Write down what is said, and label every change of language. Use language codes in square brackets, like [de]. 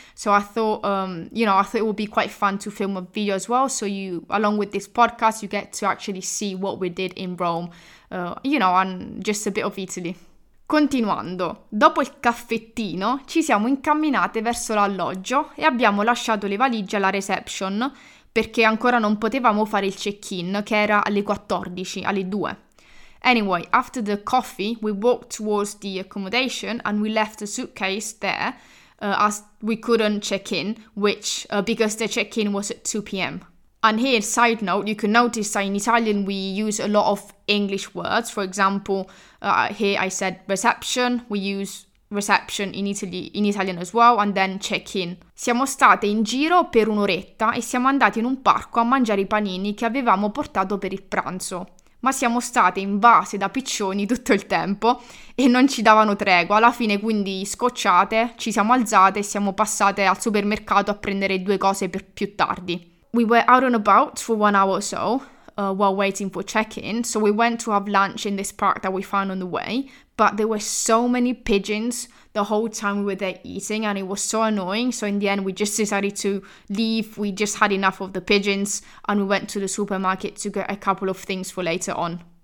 [en] So I thought, I thought it would be quite fun to film a video as well, so you, along with this podcast, you get to actually see what we did in Rome, and just a bit of Italy. [it] Continuando, dopo il caffettino ci siamo incamminate verso l'alloggio e abbiamo lasciato le valigie alla reception perché ancora non potevamo fare il check-in che era alle 14, alle 2. [en] Anyway, after the coffee we walked towards the accommodation and we left the suitcase there as we couldn't check in, which because the check-in was at 2 p.m. And here, side note, you can notice that in Italian we use a lot of English words. For example, here I said reception, we use reception in Italy, in Italian as well, and then check in. [it] Siamo state in giro per un'oretta e siamo andate in un parco a mangiare i panini che avevamo portato per il pranzo. Ma siamo state invase da piccioni tutto il tempo e non ci davano tregua. Alla fine, quindi, scocciate, ci siamo alzate e siamo passate al supermercato a prendere due cose per più tardi. [en] We were out and about for 1 hour or so while waiting for check-in, so we went to have lunch in this park that we found on the way, but there were so many pigeons the whole time we were there eating and it was so annoying, so in the end we just decided to leave, we just had enough of the pigeons and we went to the supermarket to get a couple of things for later on.